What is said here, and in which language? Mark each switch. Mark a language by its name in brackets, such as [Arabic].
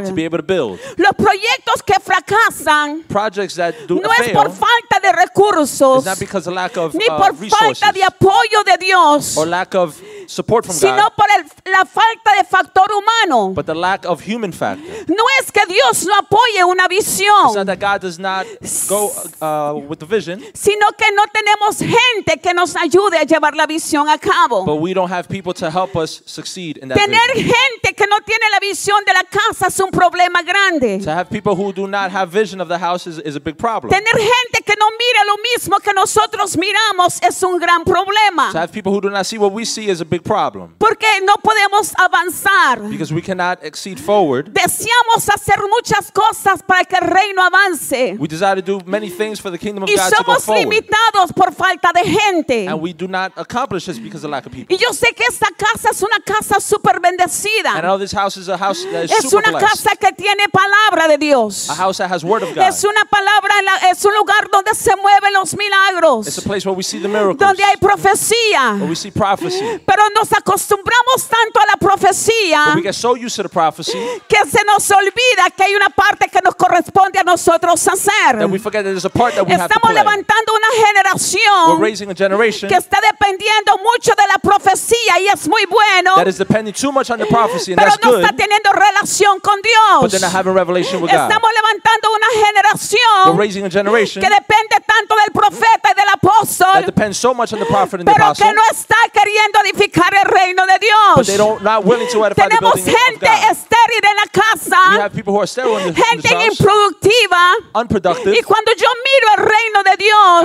[Spanish] Los proyectos que fracasan no es por falta de recursos ni por falta de apoyo de Dios [English] support from [Spanish] sino [English] God, [Spanish] por la falta de factor humano. [English] But the lack of human factor. [Spanish] No es que Dios no apoye una visión. [English] It's not that God does not go with the vision. [Spanish] Sino que no tenemos gente que nos ayude a llevar la visión a cabo. [English] But we don't have people to help us succeed in that [Spanish] tener [English] vision. [Spanish] Gente que no tiene la visión de la casa es un problema grande. [English] To have people who do not have vision of the house is a big problem. [Spanish] Tener gente que no mira lo mismo que nosotros miramos es un gran problema. [English] To have people who do not see what we see is a big problem. [Spanish] Porque no podemos avanzar. [English] Because we cannot exceed forward. [Spanish] Deseamos hacer muchas cosas para que el reino avance. [English] We desire to do many things for the kingdom of [Spanish] y [English] God to go forward. [Spanish] Y somos limitados por falta de gente. [English] And we do not accomplish this because of lack of people. [Spanish] Y yo sé que esta casa es una casa super bendecida. [English] And I know this house is a house that is super [Spanish] blessed. Es una casa que tiene palabra de Dios. [English] A house that has word of God. [Spanish] Es una palabra, es un lugar donde se mueven los milagros. [English] It's a place where we see the miracles. [Spanish] Donde hay profecía. [English] Where we see prophecy. [Spanish] Pero nos acostumbramos tanto a la profecía que se nos olvida que hay una parte que nos corresponde a nosotros hacer. Estamos levantando una generación que está dependiendo mucho de la profecía y es muy bueno, pero no está teniendo relación con Dios. Estamos levantando una generación que depende tanto del profeta y del apóstol, pero que no está queriendo edificar el reino de Dios. [English] But they don't, not willing to edify the building of God. [Spanish] Tenemos gente estéril en la casa. [English] We have people who are sterile in this house. [Spanish] Gente improductiva. [English] Unproductive. [Spanish] Y cuando yo miro el reino de Dios,